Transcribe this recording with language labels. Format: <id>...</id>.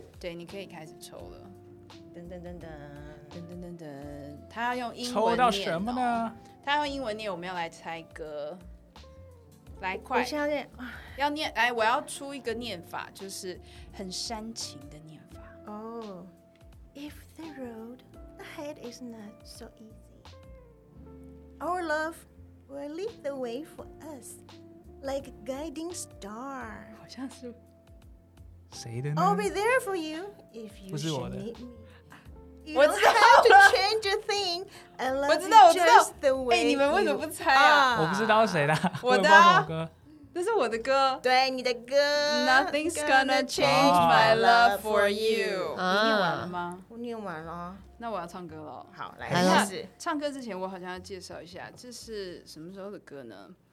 <zh>对，你可以开始抽了。噔噔噔噔噔噔噔噔，他要用英文念、哦、抽到什么呢？他要用英文念，我们要来猜歌，来快！我现在要念，来，我要出一个念法，就是很煽情的念法。</zh> <en>Oh, if the road ahead is not so easy, our love will lead the way for us like a guiding star.</en> <zh>好像是谁的呢</zh> <en>？I'll be there for you if you should need me.</en> <zh>我知道了</zh> <en>You don't have to change a thing. I love you just the way you are.</en> <zh>我知道，你们为什么不猜啊？我不知道谁的，我的、啊、我歌，这是我的歌。对，你的歌。</zh> <en>Nothing's gonna change my love for you.、</en> <zh>啊、你念完了吗？我念完了。那我要唱歌了。好，来开始。唱歌之前，我好像要介绍一下，这是什么时候的歌呢？</zh>